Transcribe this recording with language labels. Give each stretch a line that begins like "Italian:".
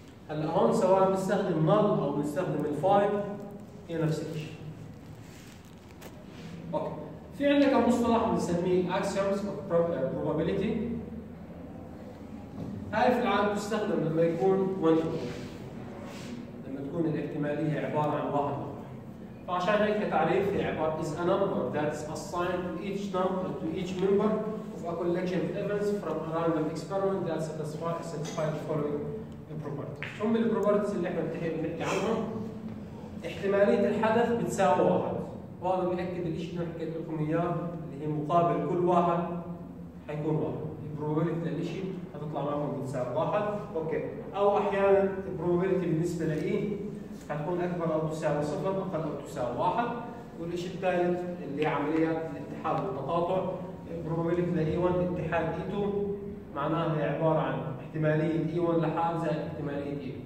Arabic: هلا هون سواء بنستخدم نل أو بنستخدم الفايل هي نفس الشيء. أوكي. في عندك مصطلح بنسميه
English: axioms of probability.
Arabic: هاي في العالم تستخدم لما يكون 1 to 1، لما تكون الاحتمالية عبارة عن 1 to 1. فعشان هيك تعريف هي عبارة
English: is a number that is assigned to each number to each member of a collection of events from a random experiment that satisfies the following properties.
Arabic: شو هم البروبرتيز اللي احنا بنحكي عنهم؟ احتمالية الحدث بتساوي 1، وهذا بيأكد الشيء اللي حكيت لكم اياه اللي هي مقابل كل واحد حيكون 1، البروبابيلتي للشيء حتطلع معكم بتساوي 1، اوكي، او احيانا البروبابيلتي بالنسبه لـ E حتكون اكبر او تساوي 0، اقل او تساوي 1، والشيء الثالث اللي هي عمليات الاتحاد والتقاطع، البروبابيلتي لـ E1 اتحاد E2 معناها هي عباره عن احتماليه E1 لحال زائد احتماليه E2.